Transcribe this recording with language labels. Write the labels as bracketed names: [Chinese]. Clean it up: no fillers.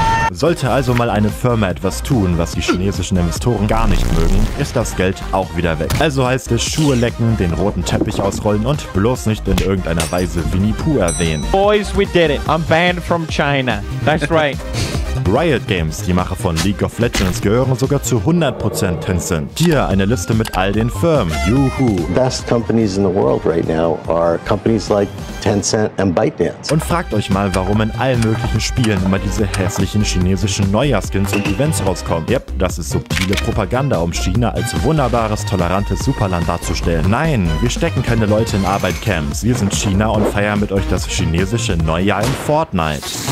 [German] Sollte also mal eine Firma etwas tun, was die chinesischen Investoren gar nicht mögen, ist das Geld auch wieder weg. Also heißt es Schuhe lecken, den roten Teppich ausrollen und bloß nicht in irgendeiner Weise Winnie Pooh erwähnen. [English] Boys, we did it. I'm banned from China. That's right. [German] Riot Games, die Macher von League of Legends, gehören sogar zu 100% Tencent. Hier eine Liste mit all den Firmen. Juhu. [English] Best companies in the world right now are companies like Tencent and ByteDance. [German] Und fragt euch mal, warum in allen möglichen Spielen immer diese hässlichen chinesischen Neujahrskins und Events rauskommen. Yep, das ist subtile Propaganda, um China als wunderbares, tolerantes Superland darzustellen. Nein, wir stecken keine Leute in Arbeitcamps. Wir sind China und feiern mit euch das chinesische Neujahr in Fortnite.